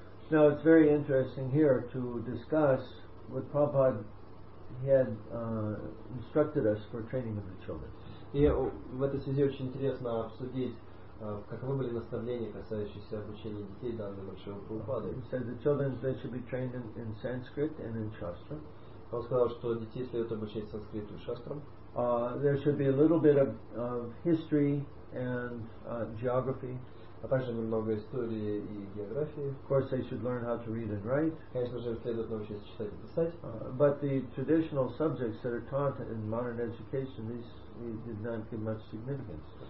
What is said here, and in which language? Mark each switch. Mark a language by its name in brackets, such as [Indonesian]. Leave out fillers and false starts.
[English] Now it's very interesting here to discuss what Prabhupada had instructed us for training of the children. [Russian] И в этой связи очень интересно обсудить, каковы были наставления, касающиеся обучения детей данной большой Прабхупады. [English] He said the children should be trained in Sanskrit and in Shastra. [Russian] Он сказал, что детей следует обучать санскриту и шастрам. [English] There should be a little bit of history and geography. [Russian] А также немного истории и географии. [English] Of course, they should learn how to read and write. [Russian] Конечно же, следует научиться читать и писать. [English] But the traditional subjects that are taught in modern education, these did not give much significance.